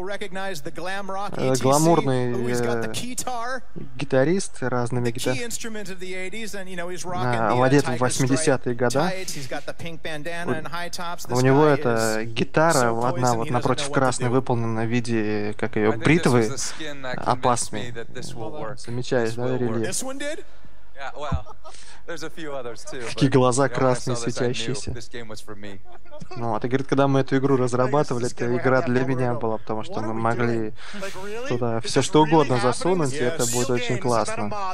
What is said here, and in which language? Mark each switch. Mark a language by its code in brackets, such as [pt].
[ru] Гламурный гитарист разными гитарами. [en] Instrument of the 80s, and you know he's rocking [ru] одет в 80-е годы. [en] He's got the pink bandana and high tops. [ru] У него это гитара одна вот напротив красной, выполнена в виде как ее бритвы. Опасный. Замечаешь, да, рельеф? Какие глаза красные, светящиеся. Ну, а ты говорит, когда мы эту игру разрабатывали, эта игра для меня была, потому что мы могли туда все что угодно засунуть, и это будет очень классно.